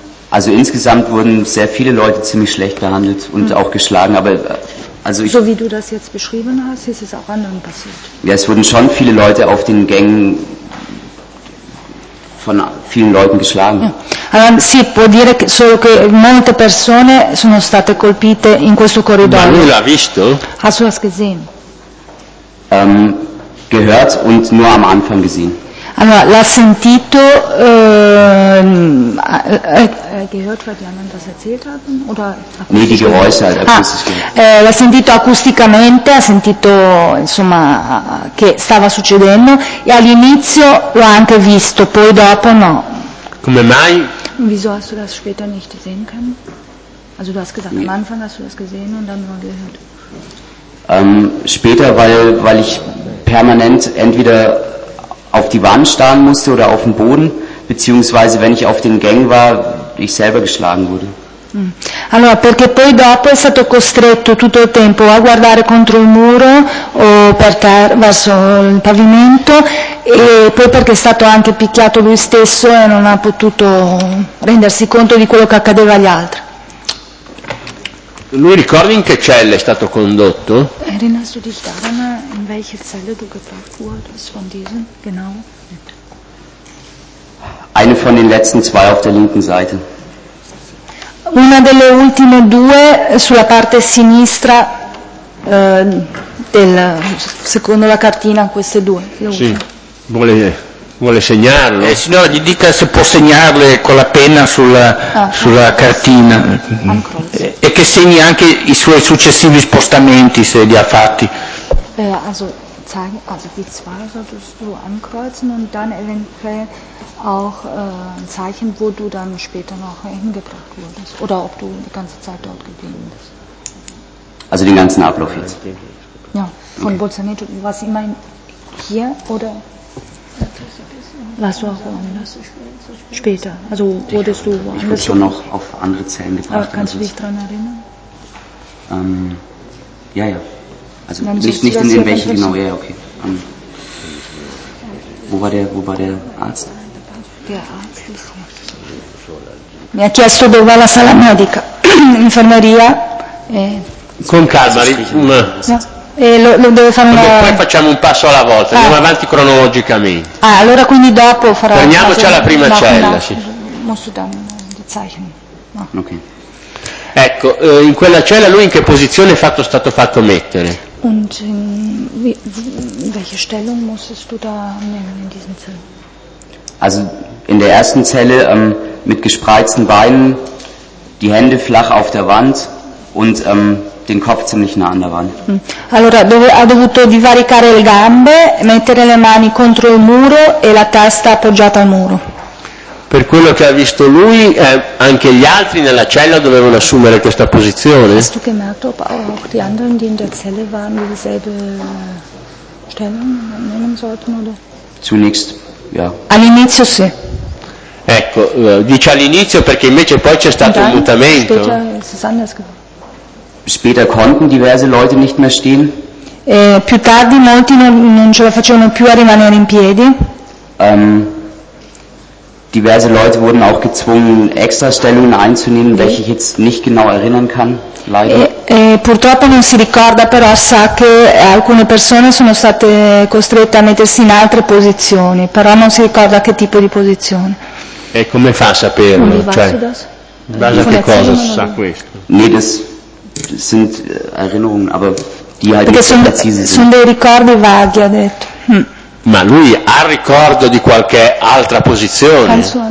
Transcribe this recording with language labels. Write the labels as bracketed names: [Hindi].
[German] Also insgesamt wurden sehr viele Leute ziemlich schlecht behandelt und auch geschlagen, aber also so wie du das jetzt beschrieben hast, ist es auch anderen passiert. Ja, es wurden schon viele Leute auf den Gängen von vielen Leuten geschlagen. [Italian] Si può dire che solo che molte persone sono state colpite in questo corridoio. Ma lui l'ha visto? [German] Hast du das gesehen? Gehört und nur am Anfang gesehen. [Italian] Allora, l'ha sentito [German] gehört, weil die anderen das erzählt haben oder nee, die Geräusche halt, [Italian] l'ha sentito acusticamente, ha sentito insomma che stava succedendo e all'inizio lo ha anche visto, poi dopo no. Come mai? [German] Wieso hast du das später nicht sehen können? Also du hast gesagt, am Anfang hast du das gesehen und dann nur gehört. Später, weil ich permanent entweder auf die Wand starren musste oder auf den Boden, beziehungsweise wenn ich auf den Gängen war, ich selber geschlagen wurde. Allora, perché poi dopo è stato costretto tutto il tempo a guardare contro il muro o verso il pavimento e poi perché è stato anche picchiato lui stesso e non ha potuto rendersi conto di quello che accadeva agli altri. Lui ricordi in che cella è stato condotto? Erinnerst du dich daran, in welche Zelle du gebracht wurdest von diesem? Genau. Eine von den letzten zwei auf der linken Seite. [Italian] Una delle ultime due sulla parte sinistra del secondo la cartina, queste due. Sì. Vuole segnarlo? Signora, gli dica se può segnarle con la penna sulla cartina e che segni anche i suoi successivi spostamenti, se li ha fatti. [German] Also die zwei solltest du ankreuzen und dann eventuell auch ein Zeichen, wo du dann später noch hingebracht wurdest oder ob du die ganze Zeit dort geblieben bist. Also den ganzen Ablauf jetzt? Ja, von okay. Bolzaneto, was immer hier oder warst du auch woanders? Später, also wurdest du woanders? Ich wurde schon noch auf andere Zellen gebracht. Aber kannst du dich daran erinnern? Ja. Also nicht in welche genau, ja, okay. Wo war der Arzt? Der Arzt [Italian] mi ha chiesto dove la sala medica, infermeria. Con calma, lo deve fare una. Poi facciamo un passo alla volta, andiamo avanti cronologicamente. Allora quindi dopo farò. Torniamoci alla prima cella, sì. [German] Musst du dann die Zeichen. Ok. [Italian] Ecco, in quella cella lui in che posizione è stato fatto mettere? [German] Und in welche Stellung musstest du da nehmen in diesen Zellen? Also in der ersten Zelle mit gespreizten Beinen, die Hände flach auf der Wand und den Kopf ziemlich nah an der Wand. [Italian] Allora, ha dovuto divaricare le gambe, mettere le mani contro il muro e la testa appoggiata al muro. Per quello che ha visto lui, anche gli altri nella cella dovevano assumere questa posizione. [German] Hast du gemerkt, ob auch die anderen, die in der Zelle waren, dieselbe Stellung nehmen sollten, oder? Zunächst, ja. [Italian] All'inizio sì. Ecco, dice all'inizio perché invece poi c'è stato un mutamento. [German] Später konnten diverse Leute nicht mehr stehen. [Italian] Più tardi molti non ce la facevano più a rimanere in piedi. [German] Diverse Leute wurden auch gezwungen, extra Stellungen einzunehmen, welche ich jetzt nicht genau erinnern kann, leider. [Italian] Purtroppo non si ricorda, però sa che alcune persone sono state costrette a mettersi in altre posizioni, però non si ricorda che tipo di posizione. E come fa a saperlo? Cioè, base a che cosa sa questo? [German] Nee, das sind Erinnerungen, aber die halt [Italian] perché sono precise. Sono dei ricordi vaghi, ha detto. Ma lui ha ricordo di qualche altra posizione?